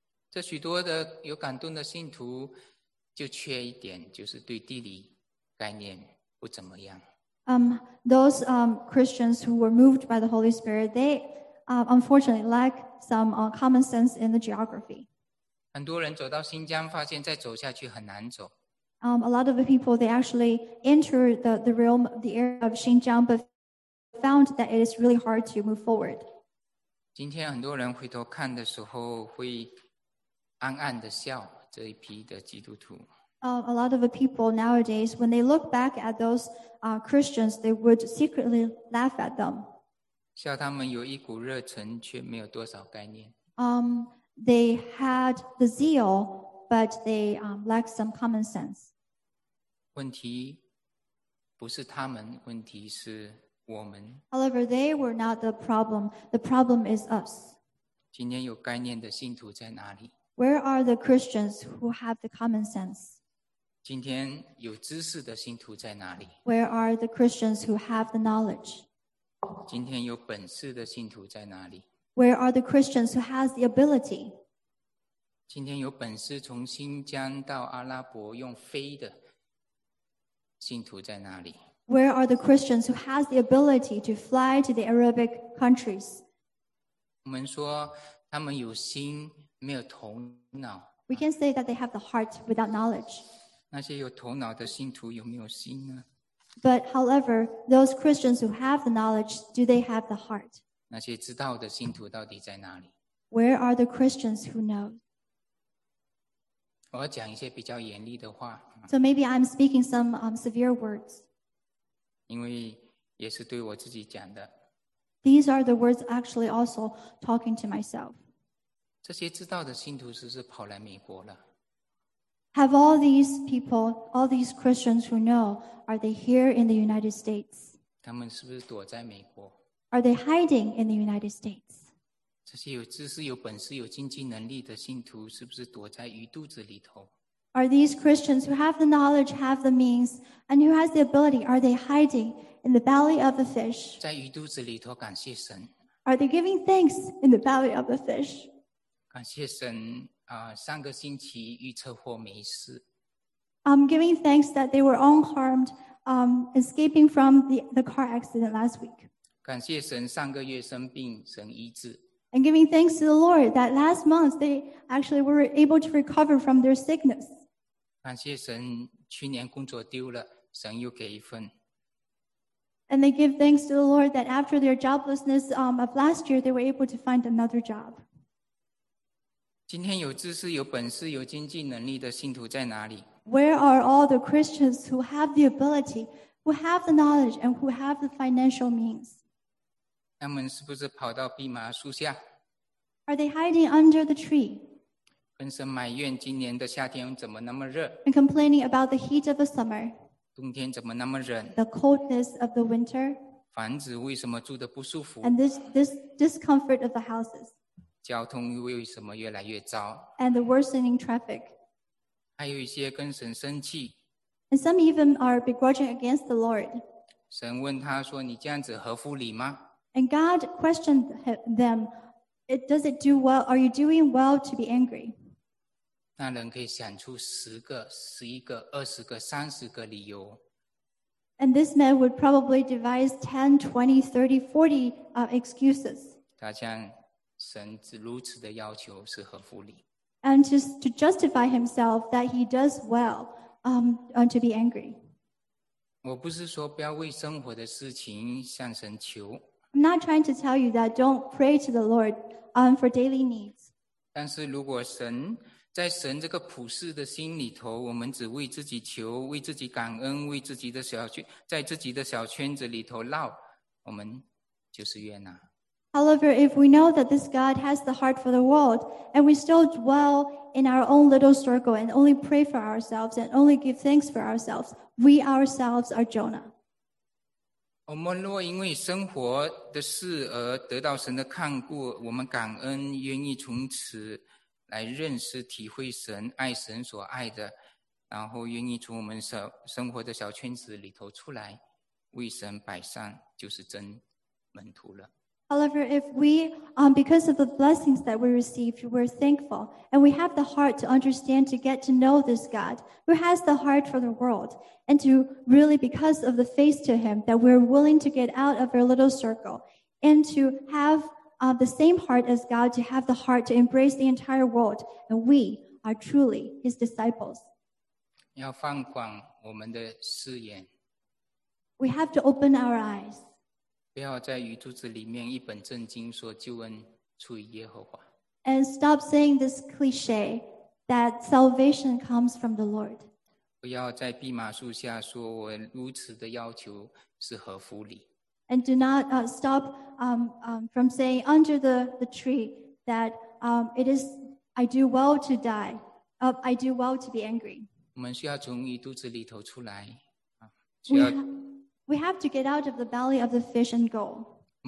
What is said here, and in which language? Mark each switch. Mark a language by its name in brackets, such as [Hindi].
[Chinese] 这许多的有感动的信徒就缺一点，就是对地理概念不怎么样。 [English] Those Christians who were moved by the Holy Spirit, they unfortunately lack some common sense in the geography. [Chinese] 很多人走到新疆发现再走下去很难走。 [English] A lot of the people, they actually enter the realm, the area of Xinjiang, but found that it is really hard to move forward. [Chinese] 今天很多人回头看的时候会暗暗的笑这一批的基督徒。 [English] A lot of the people nowadays, when they look back at those Christians, they would secretly laugh at them. [Chinese] 笑他们有一股热忱，却没有多少概念。 [English] They had the zeal, but they lacked some common sense. [Chinese] 问题不是他们，问题是我们。 [English] However, they were not the problem. The problem is us. [Chinese] 今天有概念的信徒在哪里？ [English] Where are the Christians who have the common sense? [Chinese] 今天有知识的信徒在哪里？ [English] Where are the Christians who have the knowledge? [Chinese] 今天有本事的信徒在哪里？ [English] Where are the Christians who has the ability? [Chinese] 今天有本事从新疆到阿拉伯用飞的信徒在哪里？ [English] Where are the Christians who has the ability to fly to the Arabic countries? [Chinese] 我们说他们有心没有头脑。 [English] We can say that they have the heart without knowledge. [Chinese] 那些有头脑的信徒有没有心呢？ [English] But however, those Christians who have the knowledge, do they have the heart? [Chinese] 那些知道的信徒到底在哪里？ [English] Where are the Christians who know? [Chinese] 我要讲一些比较严厉的话。 [English] So maybe I'm speaking some severe words. [Chinese] 因为也是对我自己讲的。 [English] These are the words actually also talking to myself. [Chinese] 这些知道的信徒是不是跑来美国了？ [English] Have all these people, all these Christians who know, are they here in the United States? [Chinese] 他们是不是躲在美国？ [English] Are they hiding in the United States? [Chinese] 这些有知识、有本事、有经济能力的信徒是不是躲在鱼肚子里头？ [English] Are these Christians who have the knowledge, have the means, and who has the ability, are they hiding in the belly of the fish? [Chinese] 在鱼肚子里头感谢神。 [English] Are they giving thanks in the belly of the fish? [Chinese] 感谢神，上个星期遇车祸没事。 [English] I'm giving thanks that they were unharmed, escaping from the car accident last week. [Chinese] 感谢神，上个月生病，神医治。 [English] And giving thanks to the Lord that last month they actually were able to recover from their sickness. [Chinese] 感谢神，去年工作丢了，神又给一份。 [English] And they give thanks to the Lord that after their joblessness of last year, they were able to find another job. [Chinese] 今天有知识、有本事、有经济能力的信徒在哪里？ [English] Where are all the Christians who have the ability, who have the knowledge, and who have the financial means? [Chinese] 他们是不是跑到蓖麻树下？ [English] Are they hiding under the tree? [Chinese] 分神埋怨今年的夏天怎么那么热？ [English] And complaining about the heat of the summer. [Chinese] 冬天怎么那么冷？ [English] The coldness of the winter. [Chinese] 房子为什么住得不舒服？ [English] And this discomfort of the houses. [Chinese] 交通为什么越来越糟？ [English] And the worsening traffic. [Chinese] 还有一些跟神生气。 [English] And some even are begrudging against the Lord. [Chinese] 神问他说，你这样子合乎理吗？ [English] And God questioned them, does it do well? Are you doing well to be angry? [Chinese] 那人可以想出十个、十一个、二十个、三十个理由。 [English] And this man would probably devise 10, 20, 30, 40 excuses. [Chinese] 他将神如此的要求是合乎理。 [English] And to justify himself that he does well, to be angry. [Chinese] 我不是说不要为生活的事情向神求。 [English] I'm not trying to tell you that don't pray to the Lord, for daily needs. [Chinese] 但是如果神在神这个普世的心里头，我们只为自己求，为自己感恩，为自己的小圈，在自己的小圈子里头闹，我们就是冤呐。 [English] However, if we know that this God has the heart for the world, and we still dwell in our own little circle and only pray for ourselves and only give thanks for ourselves, we ourselves are Jonah. [Chinese] 我们若因为生活的事而得到神的看顾，我们感恩，愿意从此。来认识体会神爱神所爱的，然后愿意从我们生活的小圈子里头出来为神摆上，就是真门徒了。 [English] However, if we, because of the blessings that we received, we're thankful, and we have the heart to understand, to get to know this God, who has the heart for the world, and to really, because of the faith to him, that we're willing to get out of our little circle, and to haveThe same heart as God, to have the heart to embrace the entire world, and we are truly His disciples. [Chinese] 要放广我们的视野。 [English] We have to open our eyes. [Chinese] 不要在鱼肚子里面一本正经说救恩出于耶和华。 [English] And stop saying this cliche that salvation comes from the Lord. [Chinese] 不要在蓖麻树下说我如此的要求是合乎理。 [English] And do not stop from saying under the tree that it is, I do well to die, I do well to be angry. We have to get out of the belly of the fish and go.